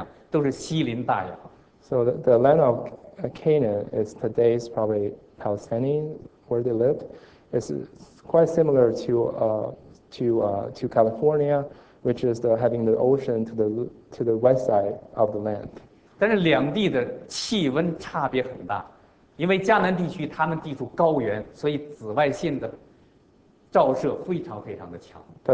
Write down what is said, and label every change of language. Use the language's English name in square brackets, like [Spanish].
[Chinese] 迦南地区，也就是今天的巴勒斯坦地区，虽然它从地理位置上来看，和我们美国的加州、西海岸非常相像，都是西林大洋。 [English] So the land of Canaan is today's probably Palestinian where they lived. It's quite similar to California, which is having the ocean to the west side of the land. [Chinese] 但是两地的气温差别很大。因为迦南地区他们地处高原，所以紫外线的照射非常非常的强。 [English] But